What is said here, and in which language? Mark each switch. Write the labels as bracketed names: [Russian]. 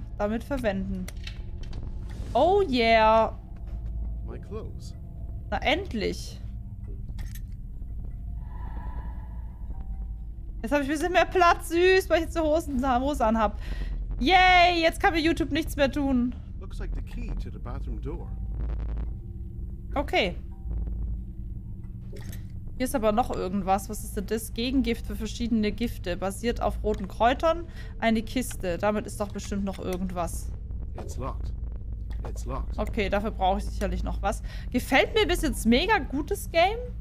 [German] Damit verwenden. [English] Oh yeah. My clothes. [German] Na endlich. Jetzt habe ich ein bisschen mehr Platz, süß, weil ich jetzt die Hose anhab. Yay, jetzt kann mir YouTube nichts mehr tun. [English] Looks like the key to the bathroom door. Okay. [German] Hier ist aber noch irgendwas. Was ist denn das? Gegengift für verschiedene Gifte. Basiert auf roten Kräutern. Eine Kiste. Damit ist doch bestimmt noch irgendwas. [English] It's locked. It's locked. [German] Okay, dafür brauche ich sicherlich noch was. Gefällt mir bis jetzt mega gutes Game.